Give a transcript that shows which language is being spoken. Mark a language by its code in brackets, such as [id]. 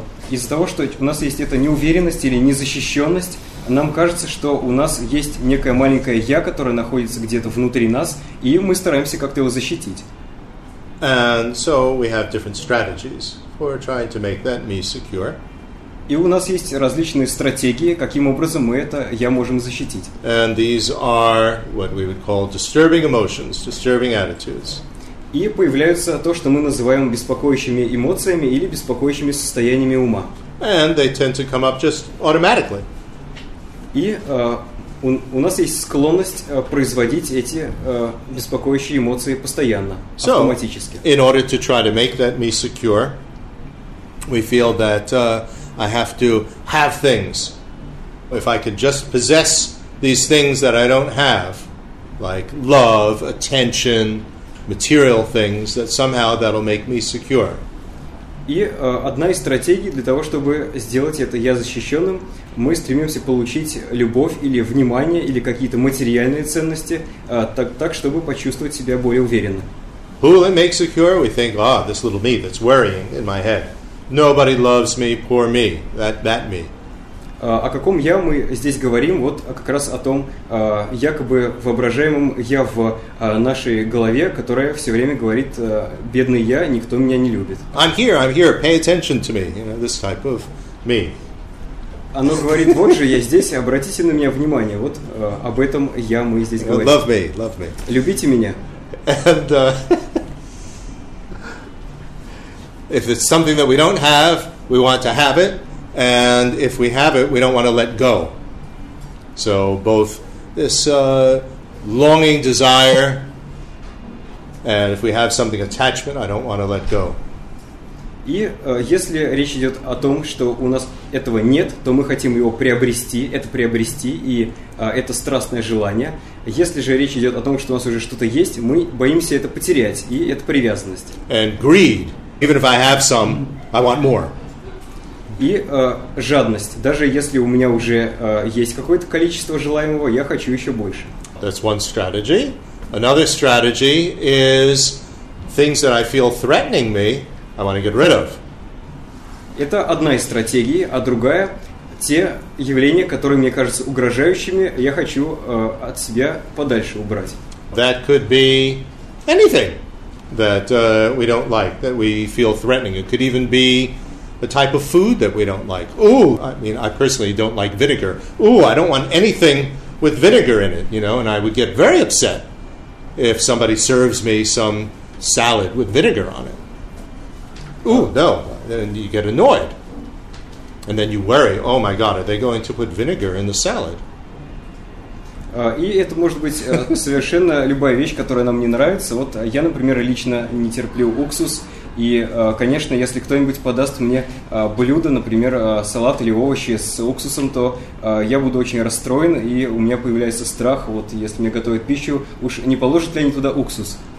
[ru] Из-за того, что у нас есть эта неуверенность или незащищенность, нам кажется, что у нас есть некое маленькое «я», которое находится где-то внутри нас, и мы стараемся как-то его защитить. И у нас есть различные стратегии, каким образом мы это «я» можем защитить. [en] And these are what we would call disturbing emotions, disturbing attitudes. [ru] И появляются то, что мы называем беспокоящими эмоциями или беспокоящими состояниями ума. [en] And they tend to come up just automatically. [ru] И у нас есть склонность производить эти беспокоящие эмоции постоянно, [en] so, [ru] автоматически. [en] So, in order to try to make that me secure, we feel that I have to have things. If I could just possess these things that I don't have, like love, attention, material things, that somehow that'll make me secure. [ru] И одна из стратегий для того, чтобы сделать это «я» защищенным, мы стремимся получить любовь или внимание или какие-то материальные ценности так, чтобы почувствовать себя более уверенно. [en] Who will it make secure? We think, ah, this little me that's worrying in my head. Nobody loves me, poor me, that me. [ru] О каком «я» мы здесь говорим? Вот как раз о том якобы воображаемом «я» в нашей голове, которое все время говорит «бедный я, никто меня не любит». [en] I'm here, pay attention to me, you know, this type of me. [ru] Оно говорит, вот же я здесь, обратите на меня внимание, вот об этом «я» мы здесь говорим. [en] Love me. [ru] Любите меня. [en] And if it's something that we don't have, we want to have it. And if we have it, we don't want to let go. So both this longing desire, and if we have something attachment, I don't want to let go. [ru] И если речь идет о том, что у нас этого нет, то мы хотим его приобрести, это приобрести, и это страстное желание. Если же речь идет о том, что у нас уже что-то есть, мы боимся это потерять, и это привязанность. [en] And greed, even if I have some, I want more. [ru] И жадность. Даже если у меня уже есть какое-то количество желаемого, я хочу еще больше. [en] That's one strategy. Another strategy is things that I feel threatening me, I want to get rid of. [ru] Это одна из стратегий, а другая – те явления, которые мне кажутся угрожающими, я хочу от себя подальше убрать. [en] That could be anything that we don't like, that we feel threatening. It could even be the type of food that we don't like. Ooh, I mean, I personally don't like vinegar. Ooh, I don't want anything with vinegar in it, you know, and I would get very upset if somebody serves me some salad with vinegar on it. Ooh, no. Then you get annoyed. And then you worry, oh my God, are they going to put vinegar in the salad? [ru] И это может быть совершенно любая вещь, которая нам не нравится. Вот я, например, лично не терплю уксус. И, конечно, если кто-нибудь подаст мне блюдо, например, салат или овощи с уксусом, то я буду очень расстроен, и у меня появляется страх, вот если мне готовят пищу, уж не положат ли они туда уксус.